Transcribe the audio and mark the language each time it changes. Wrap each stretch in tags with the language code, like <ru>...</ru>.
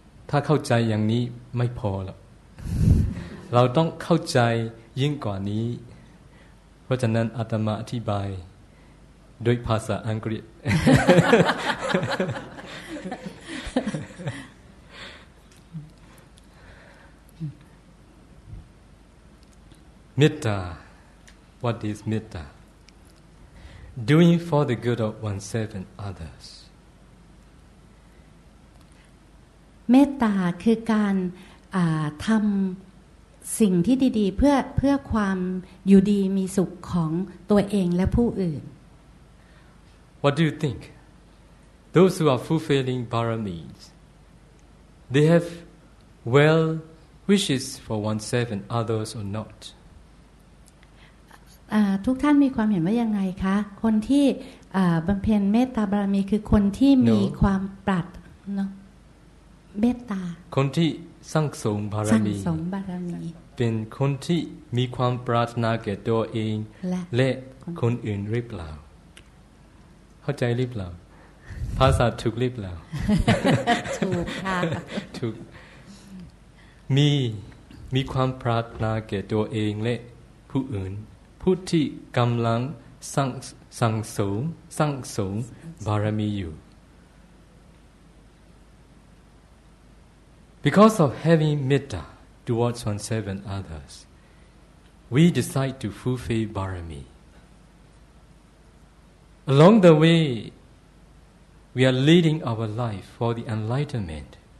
<th>ถ้าเข้าใจอย่างนี้ไม่พอหรอก เราต้องเข้าใจยิ่งกว่านี้เพราะฉะนั้นอาตมาอธิบายด้วยภาษาอังกฤษ</th> <en>Metta, what is metta? Doing for the good of oneself and others.</en> <th>Metta คือการทำสิ่งที่ดีๆเพื่อความอยู่ดีมีสุขของตัวเองและผู้อื่น</th> <en>What do you think? Those who are fulfilling baramis, they have well wishes for oneself and others or not?</en> <th>ทุกท่านมีความเห็นว่ายังไงคะคนที่บำเพ็ญเมตตาบารมีคือคนที่มีความปรารถนาเมตตา คนที่สร้างสมบารมี สร้างสมบารมี เป็นคนที่มีความปรารถนาแก่ตัวเอง และ คนอื่นหรือเปล่าเข้าใจหรือเปล่าภาษาถูกหรือเปล่า ถูกค่ะ ถูกมีความปรารถนาแก่ตัวเองและผู้อื่นผู้ที่กำลังสร้างสมบารมีอยู่</th> <en>Because of having metta towards oneself and others, we decide to fulfill barami. Along the way, we are leading our life for the enlightenment.</en>